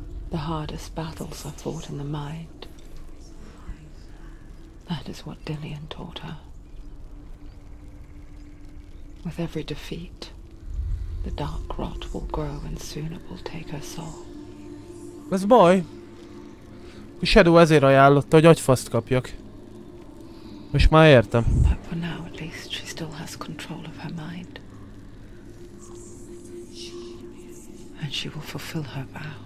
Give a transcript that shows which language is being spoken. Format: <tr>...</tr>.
<en>The hardest battles are fought in the mind. That is what Dillian taught her. With every defeat, the dark rot will grow and soon it will take her soul.</en> <hu>Ez baj. A Shadow ezért ajánlotta, hogy agyfaszt kapjak. Most már értem.</hu> <en>But for now at least she still has control of her mind. And she will fulfill her vow.</en>